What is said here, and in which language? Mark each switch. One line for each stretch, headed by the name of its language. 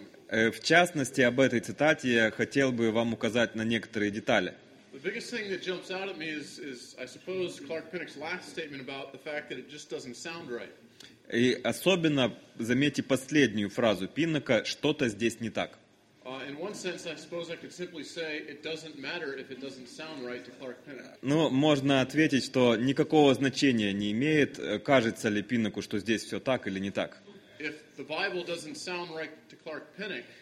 Russian: В частности, об этой цитате я хотел бы вам указать на некоторые детали.
English: The biggest thing that jumps out at me is, I suppose, Clark Pinnock's last statement about the fact that it just doesn't sound right.
Russian: И особенно заметьте последнюю фразу Пиннока: что-то здесь не так.
English: In one sense, I suppose I could simply say it doesn't matter if it doesn't sound right to Clark Pinnock.
Russian: Ну, можно ответить, что никакого значения не имеет, кажется ли Пиннику, что здесь все так или не так.
English: If the Bible doesn't sound right to Clark Pinnock.